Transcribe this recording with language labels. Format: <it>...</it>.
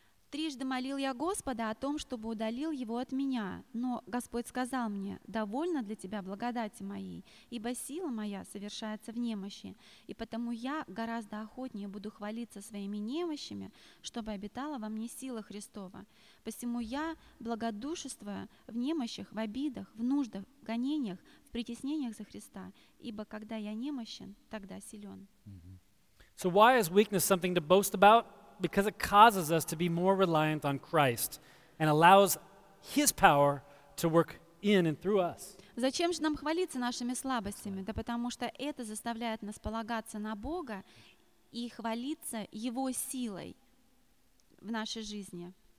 <ru>Трижды молил я Господа о том, чтобы удалил его от меня, но Господь сказал мне: «Довольно для тебя благодати моей, ибо сила моя совершается в немощи, и потому я гораздо охотнее буду хвалиться своими немощами, чтобы обитала во мне сила Христова. Посему я благодушествую в немощах, в обидах, в нуждах, в гонениях, в притеснениях за Христа, ибо когда я немощен, тогда силен».</ru> <en>So why is weakness something to boast about? Because it causes us to be more reliant on Christ and allows His power to work in and through us.</en> <ru>Зачем же нам хвалиться нашими слабостями? Да потому что это заставляет нас полагаться на Бога и хвалиться Его силой в нашей жизни.</ru>